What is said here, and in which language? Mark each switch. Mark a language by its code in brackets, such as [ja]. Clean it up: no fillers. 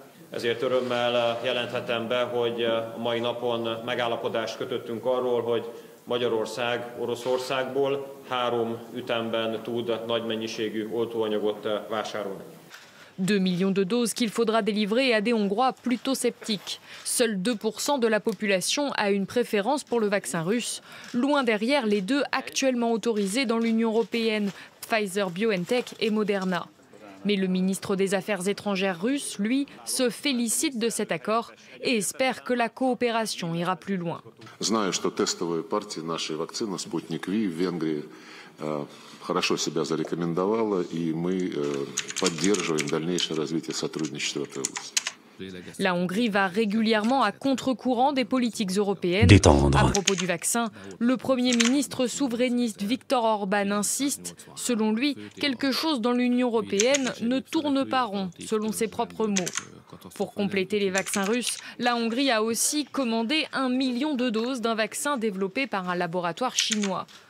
[hu] Ezért örömmel jelenthetem be, hogy a mai napon megállapodást kötöttünk arról, hogy Magyarország Oroszországból három ütemben tud nagy mennyiségű oltóanyagot vásárolni. [fr] 2 millions de doses qu'il faudra délivrer à des Hongrois plutôt sceptiques. Seuls 2% de la population a une préférence pour le vaccin russe, loin derrière les deux actuellement autorisés dans l'Union européenne, Pfizer-BioNTech et Moderna. Mais le ministre des Affaires étrangères russe, lui, se félicite de cet accord et espère que la coopération ira plus loin. [ru] Знаю, что тестовые партии нашей вакцины Sputnik V в Венгрии хорошо себя зарекомендовала, и мы поддерживаем дальнейшее развитие сотрудничества в этой области. [fr] La Hongrie va régulièrement à contre-courant des politiques européennes. Détendre. À propos du vaccin, le premier ministre souverainiste Viktor Orban insiste. Selon lui, quelque chose dans l'Union européenne ne tourne pas rond, selon ses propres mots. Pour compléter les vaccins russes, la Hongrie a aussi commandé 1 million de doses d'un vaccin développé par un laboratoire chinois.